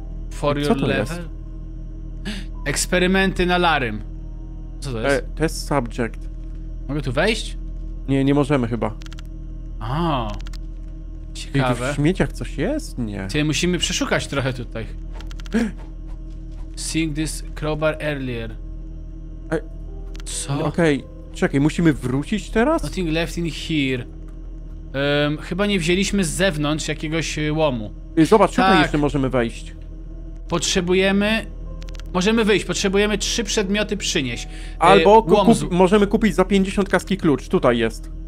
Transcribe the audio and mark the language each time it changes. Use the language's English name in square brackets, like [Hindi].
[English] For your level? [Polish] Jest? Eksperymenty na Larym. Co to jest? [English] Test subject. [Polish] Mogę tu wejść? Nie, nie możemy chyba. A. Ciekawe. W śmieciach coś jest? Nie. Ty, musimy przeszukać trochę tutaj. [English] Seeing this crowbar earlier. [Polish] Co? Okej, okay. Czekaj, musimy wrócić teraz? [English] Nothing left in here. [Polish] Chyba nie wzięliśmy z zewnątrz jakiegoś łomu. Zobacz, tak. Tutaj jeszcze możemy wejść. Potrzebujemy... Możemy wyjść, potrzebujemy trzy przedmioty przynieść. Albo możemy kupić za 50 kaski klucz, tutaj jest.